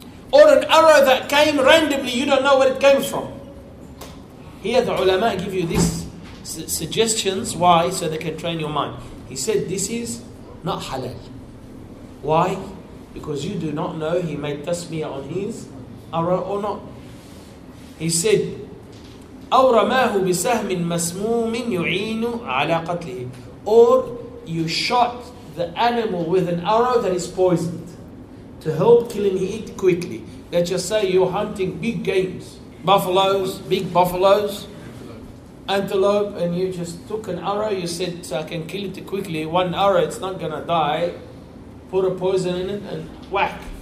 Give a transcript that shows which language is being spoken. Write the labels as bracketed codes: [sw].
[en] Or an arrow that came randomly, you don't know where it came from. Here the ulama give you these suggestions, why? So they can train your mind. He said, this is not halal. Why? Because you do not know he made tasmiyah on his arrow or not. He said, [ar] أو رماه بسهم مسموم يعين على قتله. [en] Or you shot the animal with an arrow that is poisoned to help killing it quickly. Let's just say you're hunting big games, big buffaloes, antelope, and you just took an arrow, you said, so I can kill it quickly, one arrow, it's not going to die, put a poison in it and whack.